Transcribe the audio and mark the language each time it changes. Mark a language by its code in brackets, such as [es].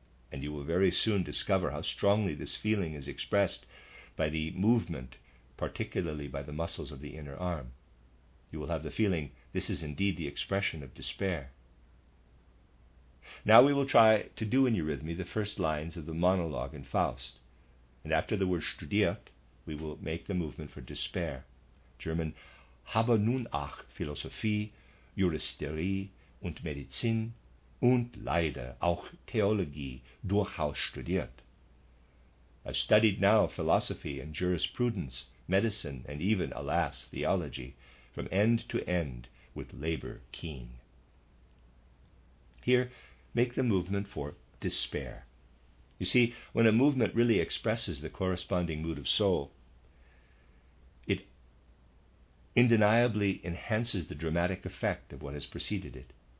[en] And you will very soon discover how strongly this feeling is expressed by the movement, particularly by the muscles of the inner arm. You will have the feeling this is indeed the expression of despair. Now we will try to do in eurythmy the first lines of the monologue in Faust, and after the word studiert, we will make the movement for despair. [de] German, habe nun ach Philosophie, Juristerie und Medizin und leider auch Theologie durchaus studiert. [en] I've studied now philosophy and jurisprudence, medicine, and even, alas, theology, from end to end with labor keen. Here, make the movement for despair. You see, when a movement really expresses the corresponding mood of soul, it undeniably enhances the dramatic effect of what has preceded it.